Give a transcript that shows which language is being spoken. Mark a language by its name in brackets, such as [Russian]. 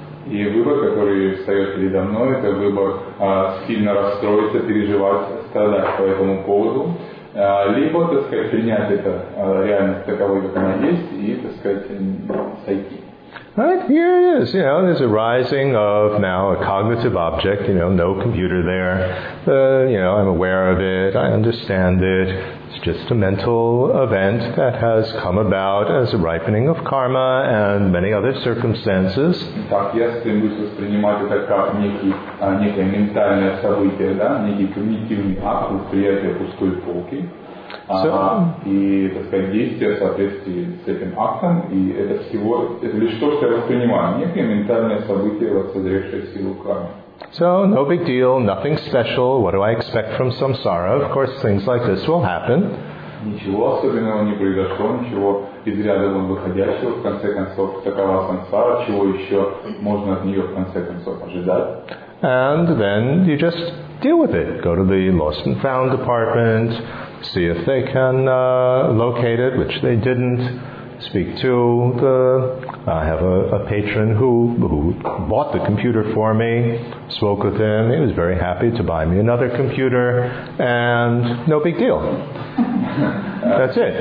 [Russian] И выбор, который встает передо мной, это выбор сильно расстроиться, переживать, страдать по этому поводу, либо, так сказать, принять это реальность таковой, как она есть, и, так сказать, сойти. [English] Right, here it is, you know, there's a rising of now a cognitive object, you know, no computer there, you know, I'm aware of it, I understand it, it's just a mental event that has come about as a ripening of karma and many other circumstances. [Russian] Так, я стремлюсь воспринимать это как некое ментальное событие, да, некий когнитивный акт восприятия пустой полки. И, так сказать, действия в соответствии с этим актом, и это всего, это лишь то, что я воспринимаю, некое ментальное событие, воцаревшее силу кармы. [English] So, no big deal, nothing special, what do I expect from samsara? Of course, things like this will happen. [Russian] Ничего особенного не произошло, ничего из ряда вон выходящего, в конце концов, такова самсара, чего еще можно от нее, в конце концов, ожидать. [English] And then you just deal with it. Go to the lost and found department, see if they can locate it, which they didn't. Speak to the... I have a patron who bought the computer for me, spoke with him, he was very happy to buy me another computer, and no big deal. That's it.